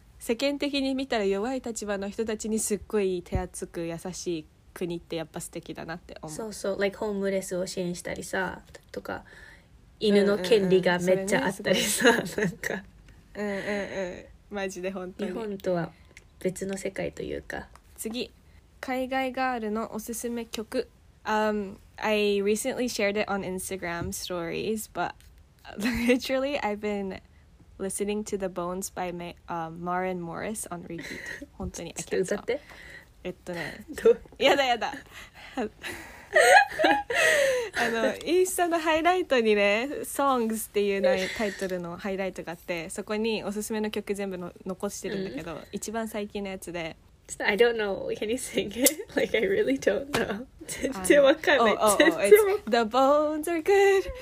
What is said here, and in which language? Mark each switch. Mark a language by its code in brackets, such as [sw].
[ja] 世間的に見たら弱い立場の人たちにすっごい手厚く優しい国ってやっぱ素敵だなって思う。そうそう。 Like ホームレスを支援したりさ、とか犬の権利がめっちゃあったりさ、うんうんうんね、なんか。うんうんうん。マジで本当に。日本とは別の世界というか。次、海外ガールのおすすめ曲。 [en] I recently shared it on Instagram stories, but literally I've been listening to The Bones by Maren Morris on repeat. [ja] 本当に [en] I can't stop. [ja] やだやだ。あのインスタのハイライトにね、Songs っていうタイトルのハイライトがあって、そこにおすすめの曲全部残してるんだけど、一番最近のやつで。 [en] I don't know. Can you sing it? Like I really don't know. [ja] 全然わかんない。 [en] Oh, oh, oh, it's the bones are good.